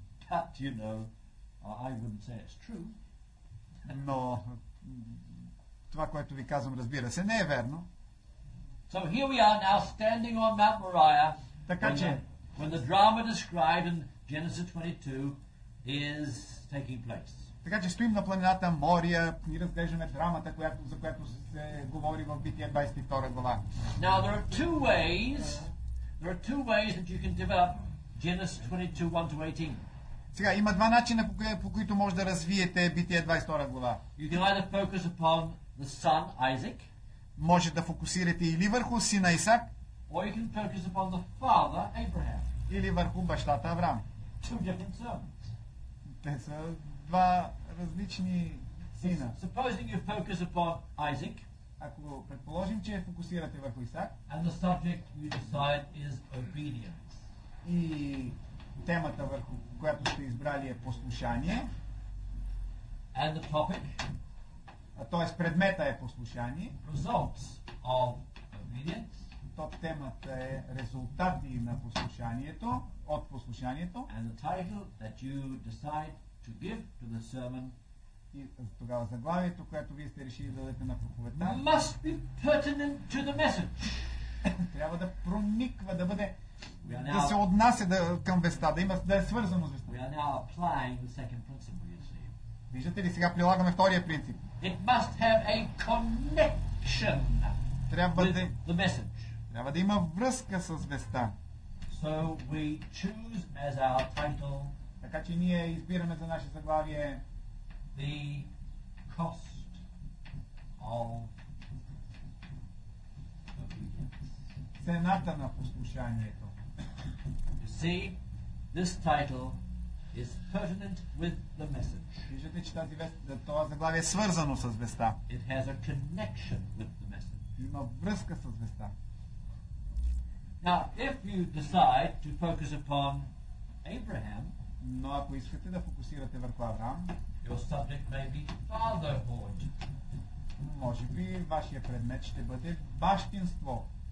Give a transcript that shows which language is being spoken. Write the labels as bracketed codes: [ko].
[en] But, you know, I wouldn't say it's true. [bg] Но това, което ви казвам, разбира се, не е верно. [en] So here we are now standing on Mount Moriah. [bg] Така че [en] when the drama described in Genesis 22 is taking place. [bg] Така че стоим на планината Мория и разглеждаме драмата, която, за която се говори в Битие 22 глава. [en] Now there are two ways. There are two ways that you can develop Genesis 22:1-18. [bg] Сега има два начина по които може да развиете Битие 22 глава. [en] You can either focus upon the son Isaac. [bg] Може да фокусирате или върху сина Исак. [en] Or you can focus upon the father Abraham. [bg] Или върху бащата Авраам. [en] Two different sons. [bg] Те са два различни сина. [en] Supposing you focus upon Isaac, [bg] ако предположим, че фокусирате върху Исак, [en] and the subject you decide is obedience. [bg] И темата върху която сте избрали е послушание. [en] And the topic, [bg] т.е. предмета е послушание. [en] Results of obedience. [bg] Топ темата е резултати на послушанието. От послушанието. [en] And the title that you decide to give to the sermon, [bg] и тогава заглавието, което вие сте решили да дадете на проповедта, [en] must be pertinent to the message. [bg] Трябва да прониква, да бъде, да се отнася да, към веста, да има, да е свързано с веста. [en] We are now applying the second principle, you see. [bg] Виждате ли, сега прилагаме втория принцип. [en] It must have a connection. [bg] Трябва [en] with [bg] да, [en] the message. [bg] Трябва да има връзка с веста. [en] So we choose as our title, [bg] така че ние избираме за наше заглавие [en] the cost of [bg] цената на послушанието. [en] You see, this title is pertinent with the message. [bg] Виждате, че тази веста, това заглавие е свързано с веста. [en] It has a connection with the message. [bg] Има връзка с веста. [en] Now, if you decide to focus upon Abraham, [bg] но ако искате да фокусирате върху Авраам, [en] your subject may be fatherhood. [bg] Може би вашия предмет ще бъде бащинство.